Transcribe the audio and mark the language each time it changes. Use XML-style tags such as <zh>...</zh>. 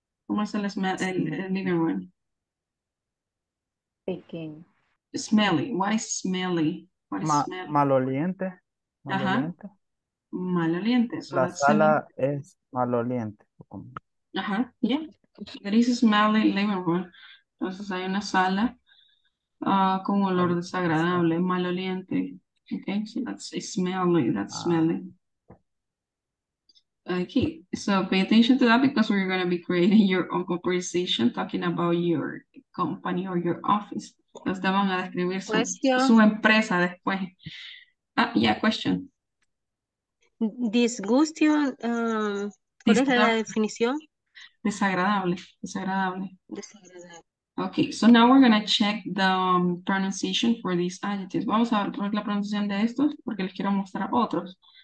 <es>¿Cómo es el living room? Pequeño.</es> <en>Smelly. Why is smelly?</en> <es>Maloliente. Maloliente. La sala es maloliente.</es> <en>Ajá, yeah. There is a smelly living room.</en> <es>Entonces hay una sala con olor desagradable, maloliente.</es> <en>Okay, so that's smelly. Okay, so pay attention to that because we're going to be creating your own conversation talking about your company or your office.</en> <es>Entonces van a describir su empresa después.</es> <en>Ah, yeah, question.</en> <es>Disgusting, ¿cuál es la definición? Desagradable. Desagradable.</es> <en>Okay, so now we're going to check the pronunciation for these adjectives.</en> <es>Vamos a ver la pronunciación de estos porque les quiero mostrar otros.</es>